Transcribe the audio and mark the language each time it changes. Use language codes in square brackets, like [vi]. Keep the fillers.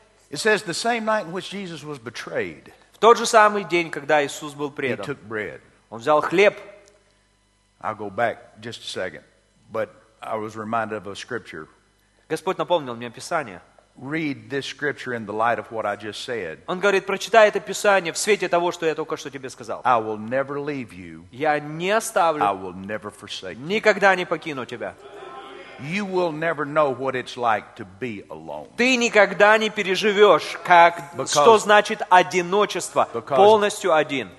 [en] It says the same night in which Jesus was betrayed. [ru] В тот же самый день, когда Иисус был предан. [en] He took bread. [ru] Он взял хлеб. [en] I'll go back just a second, but I was reminded of a scripture. [ru] Господь напомнил мне Писание. [en] Read this scripture in the light of what I just said. [ru] Он говорит, прочитай это Писание в свете того, что я только что тебе сказал. [en] I will never leave you. [ru] Я не оставлю. [en] I will never forsake. [ru] Никогда не покину тебя. Ты никогда не переживешь, как [en] because, [ru] что значит одиночество, because, полностью один.